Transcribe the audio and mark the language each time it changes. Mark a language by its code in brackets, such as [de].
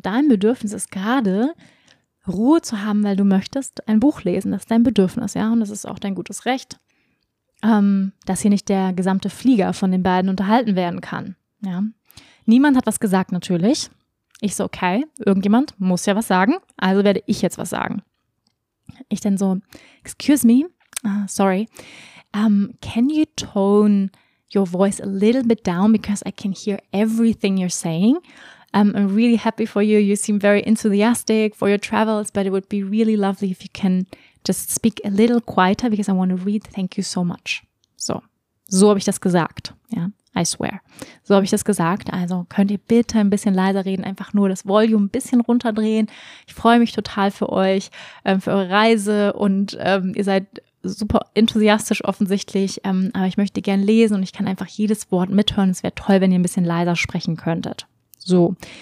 [de] Und dein Bedürfnis ist gerade, Ruhe zu haben, weil du möchtest ein Buch lesen. Das ist dein Bedürfnis, ja, und das ist auch dein gutes Recht, dass hier nicht der gesamte Flieger von den beiden unterhalten werden kann, ja. Niemand hat was gesagt, natürlich. Ich so, okay, irgendjemand muss ja was sagen, also werde ich jetzt was sagen. Ich dann so, [en] excuse me, sorry, can you tone your voice a little bit down, because I can hear everything you're saying. I'm really happy for you. You seem very enthusiastic for your travels, but it would be really lovely if you can just speak a little quieter, because I want to read. Thank you so much. [de] So habe ich das gesagt, ja. [en] I swear. [de] So habe ich das gesagt. Also könnt ihr bitte ein bisschen leiser reden, einfach nur das Volume ein bisschen runterdrehen. Ich freue mich total für euch, für eure Reise und ihr seid super enthusiastisch offensichtlich, aber ich möchte gern lesen und ich kann einfach jedes Wort mithören. Es wäre toll, wenn ihr ein bisschen leiser sprechen könntet. So,